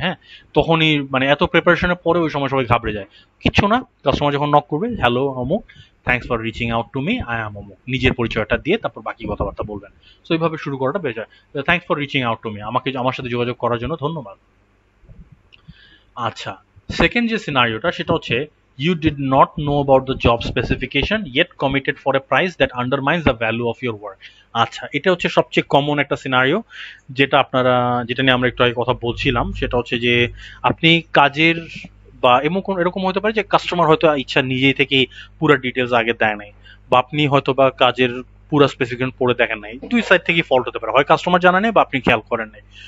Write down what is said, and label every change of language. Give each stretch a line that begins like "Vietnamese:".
Bangla: হ্যাঁ, তখনই মানে এত প্রিপারেশনের পরে ওই সময় সবাই ঘাবড়ে যায়, কিচ্ছু না, কাস্টমার যখন নক করবে হ্যালো অমুক,
English: thanks for reaching out to me, I am অমুক,
Bangla: নিজের পরিচয়টা দিয়ে তারপর বাকি কথাবার্তা বলবেন। সো এইভাবে শুরু করাটা বেশ হয়,
English: thanks for reaching out to me,
Bangla: আমাকে আমার সাথে যোগাযোগ করার জন্য ধন্যবাদ। আচ্ছা, সেকেন্ড যে সিনারিওটা সেটা হচ্ছে
English: you did not know about the job specification yet committed for a price that undermines the value of your work.
Bangla: আচ্ছা, এটা হচ্ছে সবচেয়ে কমন একটা সিনারিও, যেটা আপনারা যেটা নিয়ে আমরা একটু আগে কথা বলছিলাম, সেটা হচ্ছে যে আপনি কাজের বা এমন কোন এরকম হতে পারে যে কাস্টমার হয়তো ইচ্ছা নিজেই থেকে পুরো ডিটেলস আগে দেয় নাই, বা আপনি হয়তো বা কাজের পুরো স্পেসিফিকেশন পড়ে দেখেন নাই, দুই সাইড থেকে ফল্ট হতে পারে, হয় কাস্টমার জানা নেই বা আপনি খেয়াল করেন নাই।